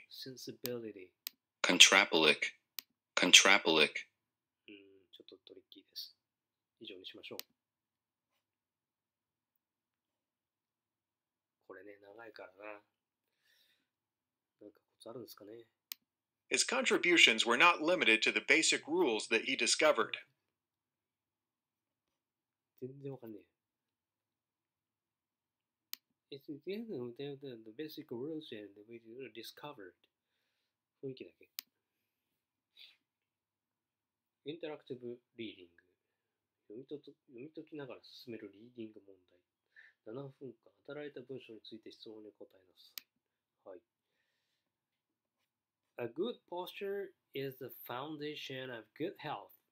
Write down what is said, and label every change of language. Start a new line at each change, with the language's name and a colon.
English: Sensibility. Contrapolic. Contrapolic.
Japanese: ちょっとトリッキーです。以上にしましょう。これね、長いからな。なんかコツあるんですかね。
English: His contributions were not limited to the basic rules that he discovered.
Japanese: 全然わかんねえ。
English: It's the basic rules and we discovered.
Japanese: 雰囲気だけ。インタラクティブリーディング。読み解きながら進めるリーディング問題。 7分間、与えられた文章について質問に答えなさい。はい。
English: A good posture is the foundation of good health.